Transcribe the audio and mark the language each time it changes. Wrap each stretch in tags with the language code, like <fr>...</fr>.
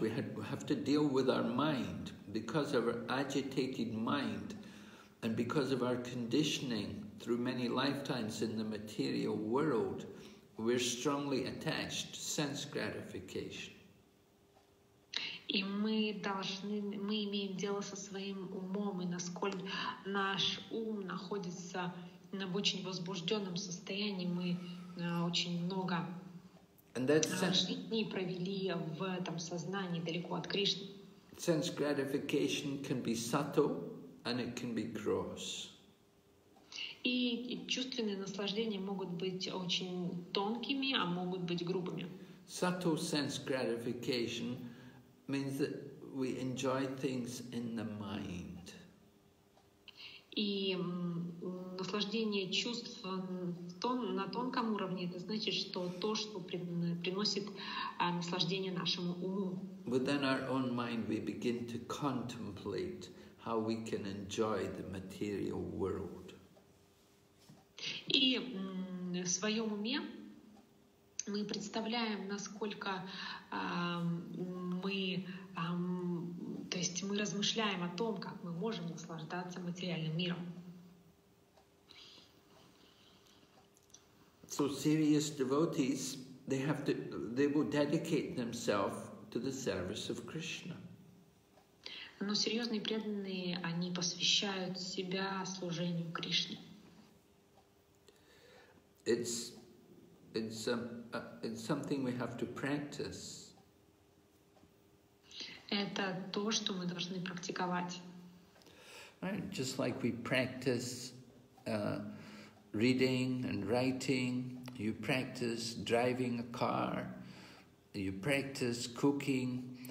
<en>We have to deal with our mind because of our agitated mind and because of our conditioning. Through many lifetimes in the material world, we're strongly attached to sense gratification.</en> <ru>И мы имеем дело со своим умом, и насколько наш ум находится на очень возбужденном состоянии, мы очень много дней провели в этом сознании далеко от Кришны.</ru> <en>Sense gratification can be subtle, and it can be gross.</en> <ru>И чувственные наслаждения могут быть очень тонкими, а могут быть грубыми.</ru> <en>Subtle sense gratification means that we enjoy things in the mind.</en> <ru>И наслаждение чувств на тонком уровне, это значит, что то, что приносит наслаждение нашему уму.</ru> <en>Within our own mind we begin to contemplate how we can enjoy the material world.</en> <ru>И в своем уме мы представляем, насколько мы размышляем о том, как мы можем наслаждаться материальным миром.</ru> <en>So serious devotees, they will dedicate themselves to the service of Krishna.</en> <ru>Но серьезные преданные, они посвящают себя служению Кришне.</ru> <en>It's something we have to practice.</en> <ru>Это то, что мы должны практиковать.</ru> <en>Right, just like we practice reading and writing, you practice driving a car, you practice cooking.</en>